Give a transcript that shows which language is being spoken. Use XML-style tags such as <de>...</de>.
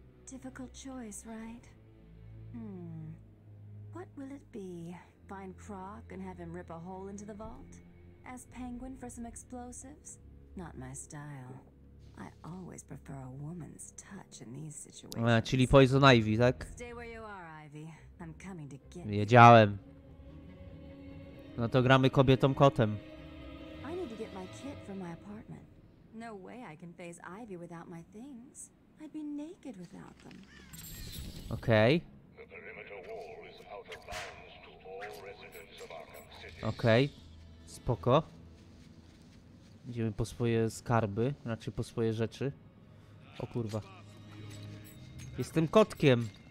<en>Difficult choice, right? What will it be? Find Croc and have him rip a hole into the vault? Ask Penguin for some explosives? Not my style. I always prefer a woman's touch in these situations.</en> <pl>A, czyli Poison Ivy, tak?</pl> <en>Stay where you are, Ivy. I'm coming to get you.</en> <pl>Wiedziałem. No to gramy kobietą kotem.</pl> <en>I need to get my kit from my apartment. No way I can face Ivy without my things. I'd be naked without them. Okay. The perimeter wall is out of bounds to all residents of Arkham City. Okay. Spoko.</en> <pl>Idziemy po swoje skarby, znaczy po swoje rzeczy. O kurwa. Jestem kotkiem.</pl>